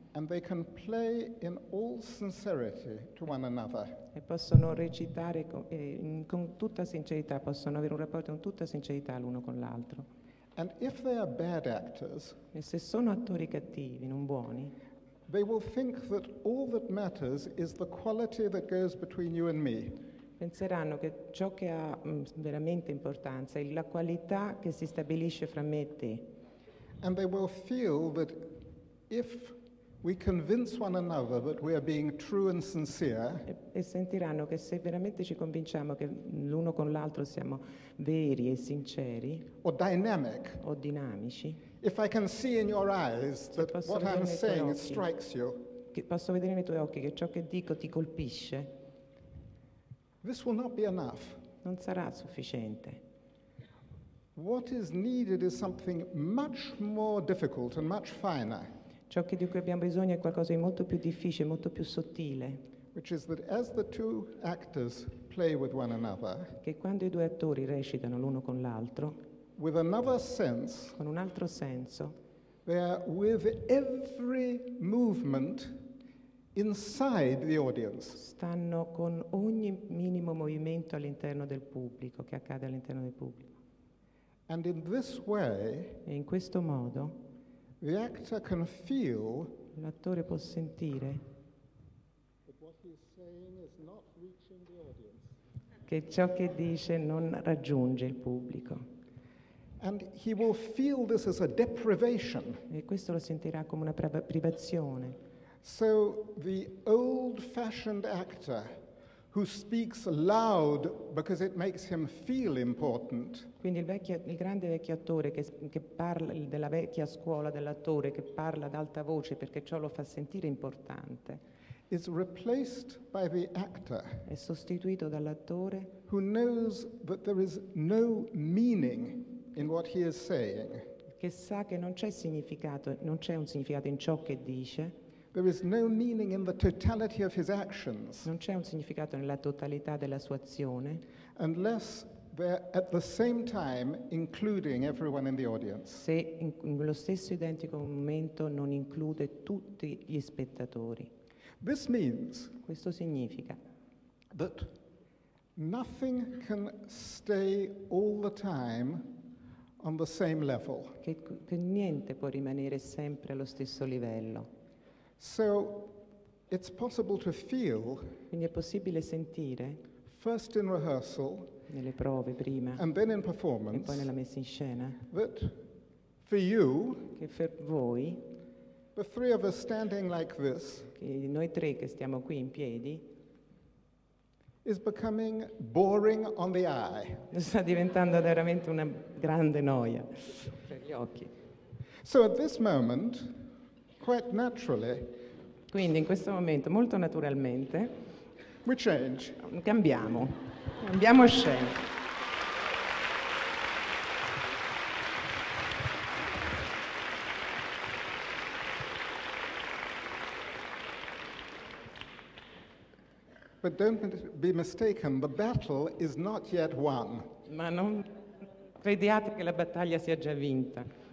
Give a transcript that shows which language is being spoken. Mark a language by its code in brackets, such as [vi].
[en] And they can play in all sincerity to one another. [it] E possono recitare con tutta sincerità, possono avere un rapporto con tutta sincerità l'uno con l'altro. [en] And if they are bad actors, [it] e se sono attori cattivi, non buoni, [en] they will think that all that matters is the quality that goes between you and me. [it] Penseranno che ciò che ha veramente importanza è la qualità che si stabilisce fra me e te. [en] And they will feel that if we convince one another that we are being true and sincere. [it] E sentiranno che se veramente ci convinciamo che l'uno con l'altro siamo veri e sinceri. [en] Or dynamic. [it] O dinamici. [en] If I can see in your eyes that what I'm saying strikes you. [it] Che posso vedere nei tuoi occhi che ciò che dico ti colpisce. [en] This will not be enough. [it] Non sarà sufficiente. [en] What is needed is something much more difficult and much finer. [it] Ciò di cui abbiamo bisogno è qualcosa di molto più difficile, molto più sottile. [en] Which is that as the two actors play with one another, [it] che quando i due attori recitano l'uno con l'altro, [en] with another sense, [it] con un altro senso, [en] they are with every movement inside the audience. [it] Stanno con ogni minimo movimento all'interno del pubblico, che accade all'interno del pubblico. [en] And in this way, [it] e in questo modo, [en] the actor can feel. [it] L'attore può sentire. [en] That what he's saying is not reaching the audience. [it] Che ciò che dice non raggiunge il pubblico. [en] And he will feel this as a deprivation. [it] E questo lo sentirà come una privazione. [en] So the old-fashioned actor who speaks loud because it makes him feel important. [it] Quindi il grande vecchio attore che parla della vecchia scuola dell'attore che parla ad alta voce perché ciò lo fa sentire importante. [en] Is replaced by the actor. [it] È sostituito dall'attore. [en] Who knows that there is no meaning in what he is saying. [it] che sa che non c'è significato, non c'è un significato in ciò che dice. [en] There is no meaning in the totality of his actions. [it] Non c'è un significato nella totalità della sua azione. [en] Unless they're at the same time including everyone in the audience. [it] Se in lo stesso identico momento non include tutti gli spettatori. [en] This means. [it] Questo significa. [en] That nothing can stay all the time on the same level. [it] Che niente può rimanere sempre allo stesso livello. [en] So it's possible to feel. [it] Quindi è possibile sentire. [en] First in rehearsal. [it] Nelle prove prima. [en] And then in performance. [it] E poi nella messa in scena. [en] That for you. [it] Che per voi. [en] The three of us standing like this. [it] Che noi tre che stiamo qui in piedi. [en] Is becoming boring on the eye. [it] Sta diventando veramente una grande noia per gli occhi. [en] So at this moment, quite naturally, [it] quindi in questo momento molto naturalmente, [en] we change. [it] Cambiamo scena. [en] But don't be mistaken, the battle is not yet won. [it] Ma non crediate che la battaglia sia già vinta.